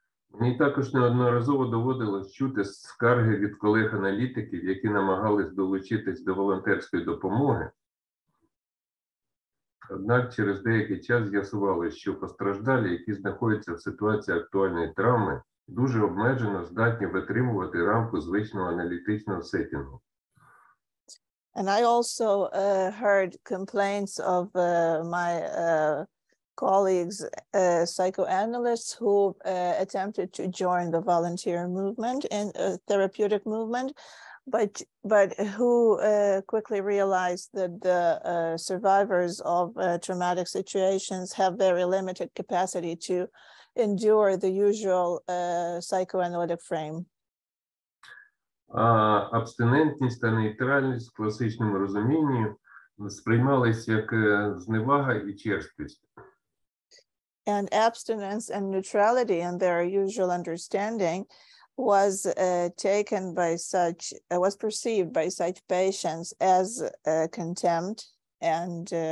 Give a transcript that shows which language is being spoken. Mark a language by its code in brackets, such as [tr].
[uk] Мені також неодноразово доводилось чути скарги від колег-аналітиків, які намагались долучитись до волонтерської допомоги. Однак через деякий час з'ясувалося, що постраждалі, які знаходяться в ситуації актуальної травми, дуже обмежено здатні витримувати рамку звичного аналітичного сетінгу. [en] And I also heard complaints of my colleagues, psychoanalysts who attempted to join the volunteer movement and therapeutic movement, but who quickly realized that the survivors of traumatic situations have very limited capacity to endure the usual psychoanalytic frame. [uk] Абстинентність та нейтральність в класичному розумінні сприймались як зневага і черствість. [en] And abstinence and neutrality in their usual understanding was taken by such, was perceived by such patients as contempt and